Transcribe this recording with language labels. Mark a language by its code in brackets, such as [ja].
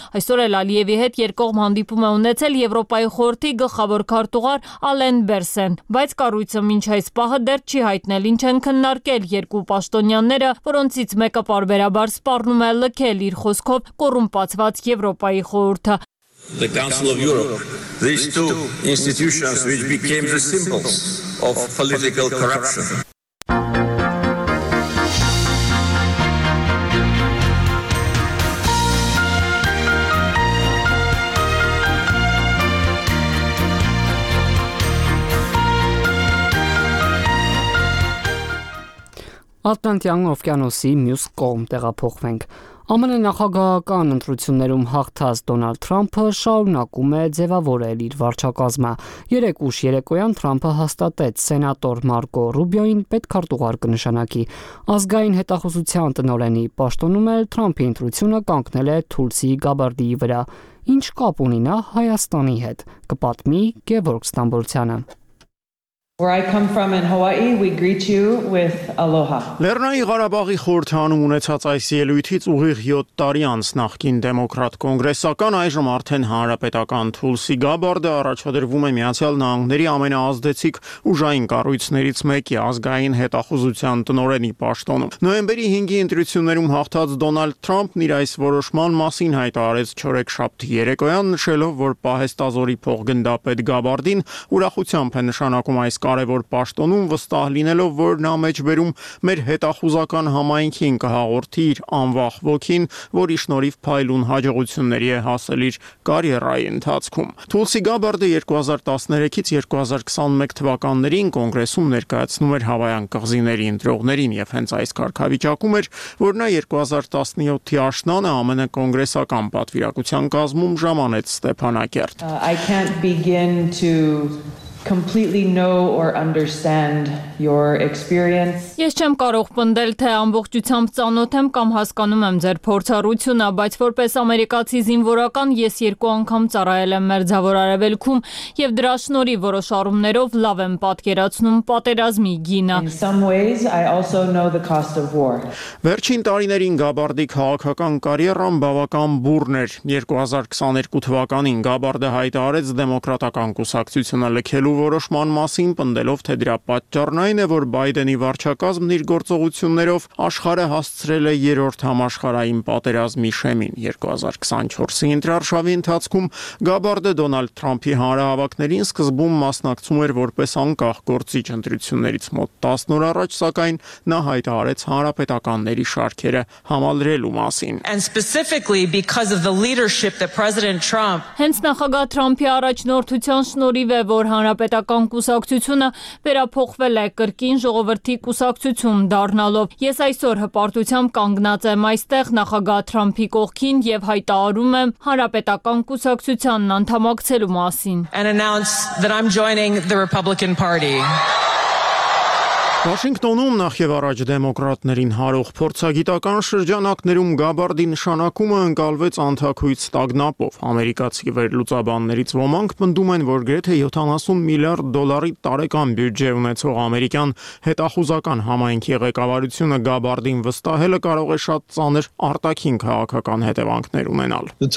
[hy] Այսօր էլ Ալիևի հետ երկկողմ հանդիպում է ունեցել Եվրոպայի խորհրդի գլխավոր քարտուղար Ալեն Բերսեն, բայց կառույցը մինչ այս պահը դեռ չի հայտնել ինչ են քննարկել երկու պաշտոնյանները, որոնցից մեկը պարբերաբար սպառնում է լքել իր խոսքով կոռումպացված Եվրոպայի խորհուրդը։ [en] The Council of Europe. These two institutions which became the symbols of political corruption. [hy] Ատլանտյան օվկիանոսի մյուս կողմ տեղափոխվենք։ ԱՄՆ նախագահական ընտրություններում հաղթած Դոնալդ Թրամփը շարունակում է ձևավորել իր վարչակազմը։ Երեկ ուշ երեկոյան Թրամփը հաստատեց սենատոր Մարկո Ռուբիոին պետք քարտուղար կնշանակի։ Ազգային հետախուզության տնօրենի պաշտոնում էլ Թրամփի ընտրությունը կանգնել է Թուլսի Գաբարդիի վրա։ Ինչ կապ ունի նա Հայաստանի հետ, կպատմի Գևորգ Ստամբոլցյանը։ [en] Where I come from in Hawaii, we greet you with aloha. [hy] Լեռնային Ղարաբաղի խորհրդանում ունեցած այս ելույթից ուղիղ 7 տարի անց նախկին դեմոկրատ կոնգրեսական, այժմ արդեն հանրապետական Թուլսի Գաբարդը առաջադրվում է Միացյալ Նահանգների ամենաազդեցիկ ուժային կառույցներից մեկի ազգային հետախուզության տնօրենի պաշտոնում։ Նոյեմբերի 5-ի ընտրություններում հաղթած Դոնալդ Թրամփն իր այս որոշման մասին հայտարարեց չորեքշաբթի երեկոյան, նշելով, որ պահեստազորի փոխգնդապետ Գաբարդին ուրախությամբ է նշանակում այս կարևոր պաշտոնում, վստահ լինելով, որ նա մեջբերում մեր հետախուզական համայնքին կհաղորդի իր անվախ ոգին, որի շնորհիվ փայլուն հաջողությունների է հասել իր կարիերայի ընթացքում։ Թուլսի Գաբարդը 2013-ից 2021 թվականներին կոնգրեսում ներկայացնում էր հավայան կղզիների ընտրողներին, և հենց այս կարգավիճակում էր, որ նա 2017-ի աշնանը ԱՄՆ կոնգրեսական պատվիրակության կազմում ժամանեց Ստեփանակերտ։ [en] I can't begin to completely know or understand your experience. [hy] Ես չեմ կարող պնդել, թե ամբողջությամբ ծանոթ եմ կամ հասկանում եմ ձեր փորձառությունը, բայց որպես ամերիկացի զինվորական ես երկու անգամ ծառայել եմ մեր ձավոր արևելքում եւ դրա շնորհիվ որոշ առումներով լավ եմ պատկերացնում պատերազմի գինը. [en] In some ways I also know the cost of war. [hy] Վերջին տարիներին Գաբարդի քաղաքական կարիերան բավական բուրն էր։ 2022 թվականին Գաբարդը հայտարարեց դեմոկրատական կուսակցությունը լքելու որոշման մասին, պնդելով, թե դրա պատճառն այն է, որ Բայդենի վարչակազմն իր գործողություններով աշխարհը հասցրել է երրորդ համաշխարհային պատերազմի շեմին։ 2024-ի ընթրարշավի ընթացքում Գաբարդը Դոնալդ Թրամփի հանրահավաքներին սկզբում մասնակցում էր որպես անկախ գործիչ ընտրություններից մոտ 10 օր առաջ, սակայն նա հայտարարեց հանրապետականների շարքերը համալրելու մասին։ [en] And specifically because of the leadership that President Trump [hy] Հենց նախագահ Թրամփի առաջնորդության շնորհիվ է, որ հանրապետական կուսակցությունը վերափոխվել է կրկին ժողովրդի կուսակցություն դառնալով։ Ես այսօր հպարտությամբ կանգնած եմ այստեղ նախագահ Թրամփի կողքին եւ հայտարարում եմ հանրապետական կուսակցությանն անդամակցելու մասին։ [en] And announce that I'm joining the Republican Party. [hy] Վաշինգտոնում նախ եւ առաջ դեմոկրատներին հարող փորձագիտական շրջանակներում Գաբարդի նշանակումը ընկալվեց անթաքույց ստագնապով։ Ամերիկացի վերլուծաբաններից ոմանք պնդում են, որ գրեթե 70 միլիարդ դոլարի տարեկան բյուջե ունեցող ամերիկյան հետախուզական համայնքի ղեկավարությունը Գաբարդին վստահելը կարող է շատ ծանր արտաքին քաղաքական հետևանքներ ունենալ։